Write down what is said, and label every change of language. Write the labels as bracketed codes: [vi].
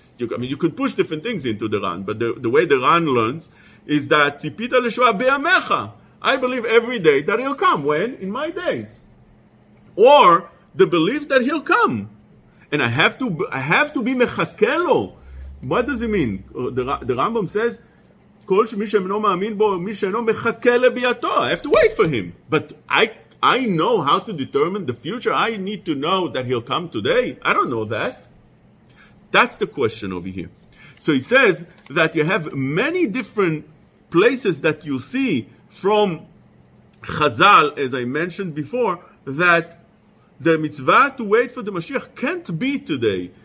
[en] You could push different things into the Ran, but the way the Ran learns is that [he] Tzipita Leshua Be'amecha. [en] I believe every day that he'll come. When? In my days. Or the belief that he'll come, and I have to be mechakelo. What does it mean? The Rambam says, [he] כל מי שאינו מאמין בו, מי שאינו מחכה לביאתו. [en] I have to wait for him. But I know how to determine the future. I need to know that he'll come today. I don't know that. That's the question over here. So he says that you have many different places that you see from Chazal, as I mentioned before, that the mitzvah to wait for the Mashiach can't be today.